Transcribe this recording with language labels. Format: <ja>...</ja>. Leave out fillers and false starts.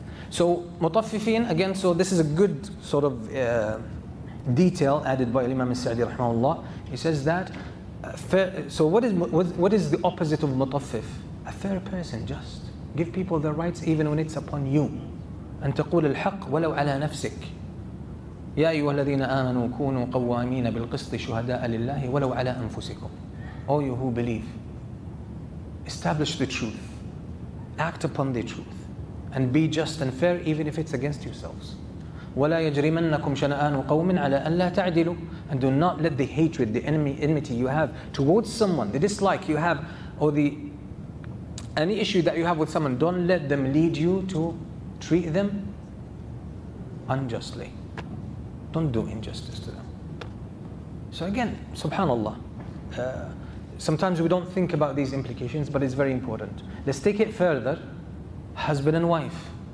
<en>So, mutaffifin, again, so this is a good sort of detail added by Imam al-Sa'di rahimahullah. He says that, so what is the opposite of mutaffif? A fair person, just. Give people their rights even when it's upon you.</en> <ar>أن تقول الحق ولو على نفسك يا أيها الذين آمنوا كونوا قوامين بالقسط شهداء لله ولو على أنفسكم.</ar> <en>All you who believe, establish the truth, act upon the truth, and be just and fair even if it's against yourselves.</en> <ar>ولا يجرمنكم شنآن قوم على ألا تعدلوا.</ar> <en>And do not let the hatred, the enmity you have towards someone, the dislike you have, or the any issue that you have with someone, don't let them lead you to treat them unjustly. Don't do injustice to them. So again, subhanAllah, sometimes we don't think about these implications, but it's very important. Let's take it further. Husband and wife.</en>